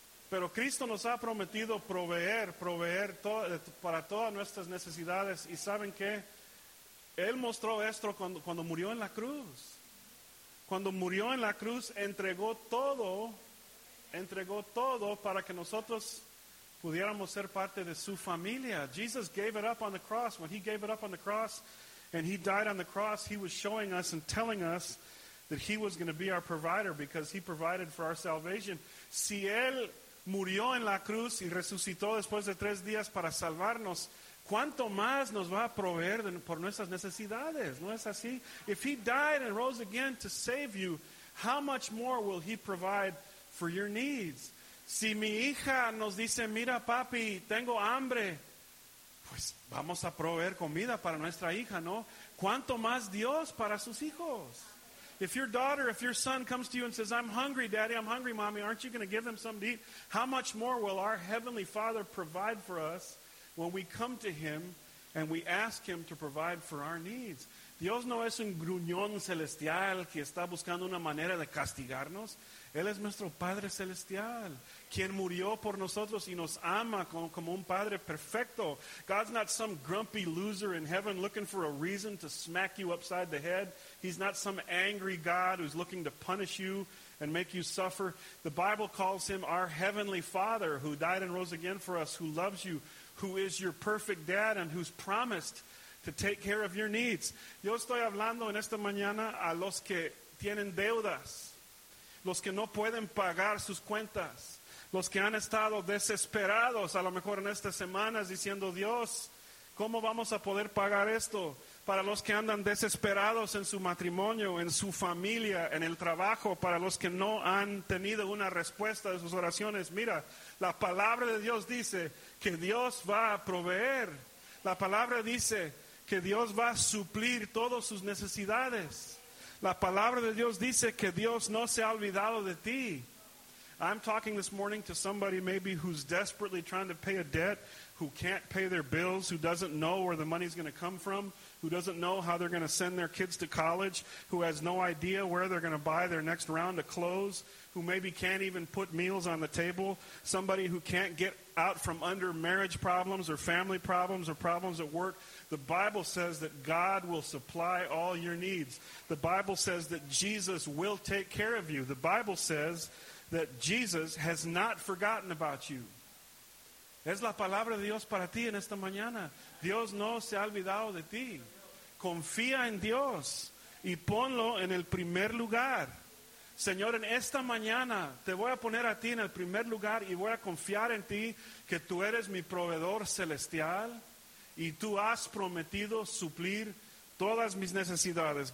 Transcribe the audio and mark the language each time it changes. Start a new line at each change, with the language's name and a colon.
Spanish: Pero Cristo nos ha prometido proveer todo, para todas nuestras necesidades. ¿Y saben qué? Él mostró esto cuando murió en la cruz. Cuando murió en la cruz, entregó todo para que nosotros pudiéramos ser parte de su familia.
English: Jesus gave it up on the cross. When he gave it up on the cross and he died on the cross, he was showing us and telling us that he was going to be our provider because he provided for our salvation.
Spanish: Si él murió en la cruz y resucitó después de tres días para salvarnos, ¿cuánto más nos va a proveer por nuestras necesidades? ¿No es así?
English: If he died and rose again to save you, how much more will he provide for your needs?
Spanish: Si mi hija nos dice, mira papi, tengo hambre, pues vamos a proveer comida para nuestra hija, ¿no? ¿Cuánto más Dios para sus hijos?
English: If your daughter, if your son comes to you and says, I'm hungry, daddy, I'm hungry, mommy, aren't you going to give them something to eat? How much more will our Heavenly Father provide for us when we come to Him and we ask Him to provide for our needs?
Spanish: Dios no es un gruñón celestial que está buscando una manera de castigarnos. Él es nuestro Padre Celestial, quien murió por nosotros y nos ama como un Padre perfecto.
English: God's not some grumpy loser in heaven looking for a reason to smack you upside the head. He's not some angry God who's looking to punish you and make you suffer. The Bible calls Him our Heavenly Father who died and rose again for us, who loves you, who is your perfect dad and who's promised to take care of your needs.
Spanish: Yo estoy hablando en esta mañana a los que tienen deudas, los que no pueden pagar sus cuentas, los que han estado desesperados a lo mejor en estas semanas diciendo, Dios, ¿cómo vamos a poder pagar esto? Para los que andan desesperados en su matrimonio, en su familia, en el trabajo, para los que no han tenido una respuesta de sus oraciones, mira, la palabra de Dios dice que Dios va a proveer. La palabra dice que Dios va a suplir todas sus necesidades. La palabra de Dios dice que Dios no se ha olvidado de ti.
English: I'm talking this morning to somebody maybe who's desperately trying to pay a debt, who can't pay their bills, who doesn't know where the money's going to come from, who doesn't know how they're going to send their kids to college, who has no idea where they're going to buy their next round of clothes, who maybe can't even put meals on the table, somebody who can't get out from under marriage problems or family problems or problems at work. The Bible says that God will supply all your needs. The Bible says that Jesus will take care of you. The Bible says that Jesus has not forgotten about you.
Spanish: Es la palabra de Dios para ti en esta mañana. Dios no se ha olvidado de ti. Confía en Dios y ponlo en el primer lugar. Señor, en esta mañana te voy a poner a ti en el primer lugar y voy a confiar en ti que tú eres mi proveedor celestial y tú has prometido suplir todas mis necesidades.